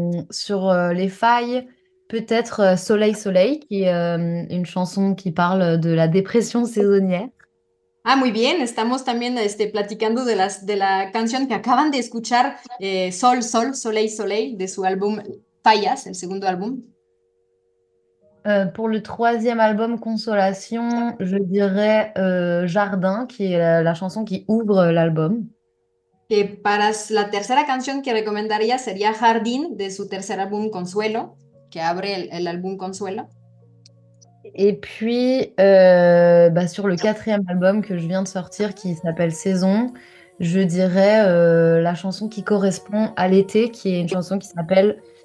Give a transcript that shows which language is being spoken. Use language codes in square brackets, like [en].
[fr] Sur les failles, peut-être Soleil Soleil, qui est une chanson qui parle de la dépression saisonnière. [es] Ah, muy bien. Estamos también platicando de la canción que acaban de escuchar, Sol Sol, Soleil Soleil, de su álbum Fallas, el segundo álbum. [fr] Pour le troisième album Consolation, je dirais Jardin, qui est la chanson qui ouvre l'album. [es] Que para la tercera canción que recomendaría sería Jardín, de su tercer álbum Consuelo, que abre el álbum Consuelo. [fr] Y puis, sur le quatrième album que je viens de sortir, qui s'appelle Saison, je dirais la chanson qui correspond à l'été, qui est une chanson qui s'appelle...